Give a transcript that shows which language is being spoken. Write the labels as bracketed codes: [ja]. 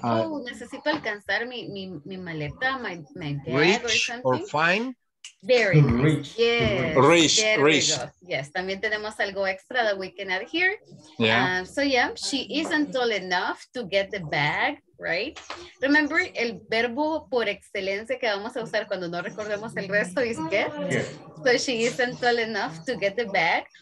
[es] necesito alcanzar mi maleta, [en] my bag or something. Rich or fine? Very rich. Nice. Yes. Rich, there rich. Yes, [es] también tenemos algo extra [en] that we can add here. Yeah. So yeah, she isn't tall enough to get the bag. Right? [es] Remember, el verbo por excelencia que vamos a usar cuando no recordemos el resto is get. [en] Yeah. So she isn't tall enough to get the bag.